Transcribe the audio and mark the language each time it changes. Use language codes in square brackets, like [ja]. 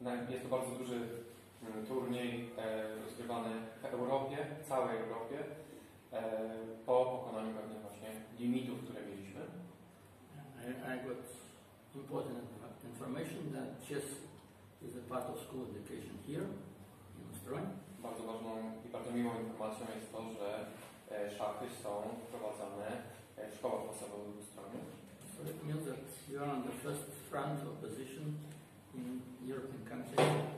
[pl] Jest to bardzo duży turniej rozgrywany w Europie, w całej Europie, po pokonaniu pewnych właśnie limitów, które mieliśmy. [en] I got important information that chess is a part of school education here in Ustroń. [pl] Bardzo ważną i bardzo miłą informacją jest to, że szachy są wprowadzane w szkołach podstawowych w Ustroniu. [en] So it means that you are on the first front of position in European countries.